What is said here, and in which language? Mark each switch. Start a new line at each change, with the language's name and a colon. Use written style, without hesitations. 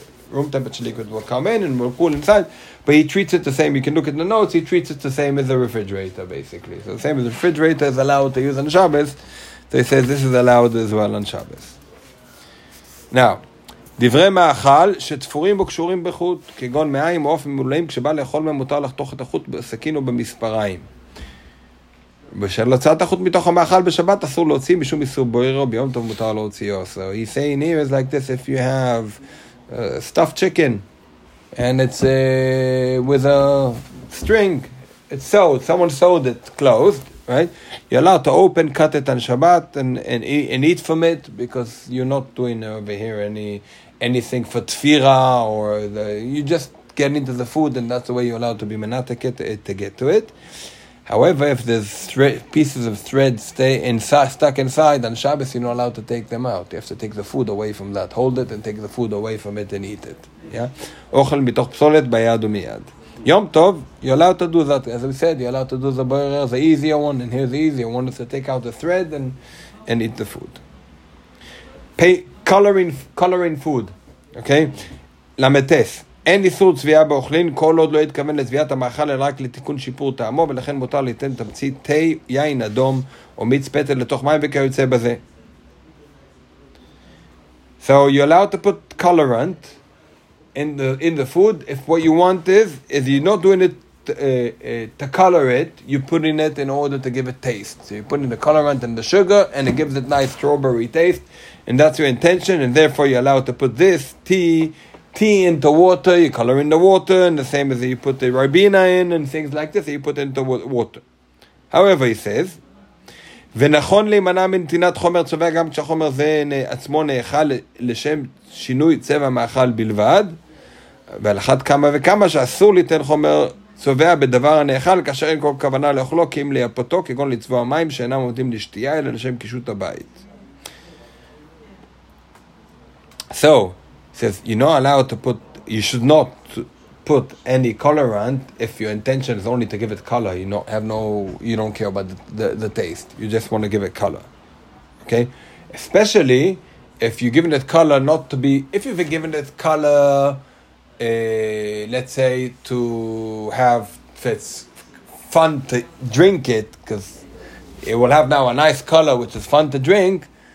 English: Room temperature liquid will come in and will cool inside. But he treats it the same. You can look at the notes. He treats it the same as a refrigerator, basically. So the same as a refrigerator is allowed to use on Shabbos. They say this is allowed as well on Shabbos.
Hebrew: Now, דברי מאכל שתפורים וקשורים בחוט, כגון מאיים או אופן מולאים, כשבא לאכול מהם מותר לחתוך את החוט בסכין או במספריים. בשל הוצאת החוט מתוך המאכל בשבת, אסור להוציא משום איסור בוער, ביום טוב מותר להוציאו.
English: So he's saying here is like this, if you have stuffed chicken, and it's with a string. It's sewed. Someone sewed it closed, right? You're allowed to open, cut it on Shabbat, and eat from it, because you're not doing over here anything for tfira, or you just get into the food, and that's the way you're allowed to be menatek it to get to it. However, if there's pieces of thread stuck inside on Shabbos, you're not allowed to take them out. You have to take the food away from that. Hold it and take the food away from it and eat it. Yeah?
Hebrew: Ochel mitoch psolet bayad umiyad.
English: Yom Tov, you're allowed to do that. As we said, you're allowed to do the boirer, the easier one, and here's the easier one. It's to take out the thread and eat the food. Coloring food. Okay? Lametes.
Hebrew: אין איסור צביעה באוכלין, כל עוד לא יתכוון לצביעת המאכל, אלא רק לתיקון שיפור טעמו, ולכן מותר לתן תמצית תה, יין אדום, או מיץ פטל לתוך מים וכיוצא בזה.
English: So you're allowed to put colorant in the food, if what you want is you're not doing it to color it, you're putting it in order to give it taste. So you're putting the colorant in the sugar, and it gives it nice strawberry taste, and that's your intention, and therefore you're allowed to put this tea into water, you color in the water, and the same as you put the ribena in, and things like this, you put into water. However, he says,
Hebrew: ונכון להימנע מנתינת חומר צובע, גם כשהחומר זה עצמו נאכל לשם שינוי צבע מאכל בלבד, ועל אחת כמה וכמה שאסור ליתן חומר צובע בדבר הנאכל, כאשר אין כל כוונה לאכלו, כי אם ליפותו, כגון לצבוע מים שאינם עומדים לשתייה, אלא לשם קישוט הבית.
English: So, says you're not allowed to put, you should not put any colorant if your intention is only to give it color. You don't care about the taste. You just want to give it color. Okay? Especially if you're giving it color not to be, if you've been giving it color, let's say to have, if it's fun to drink it, because it will have now a nice color which is fun to drink.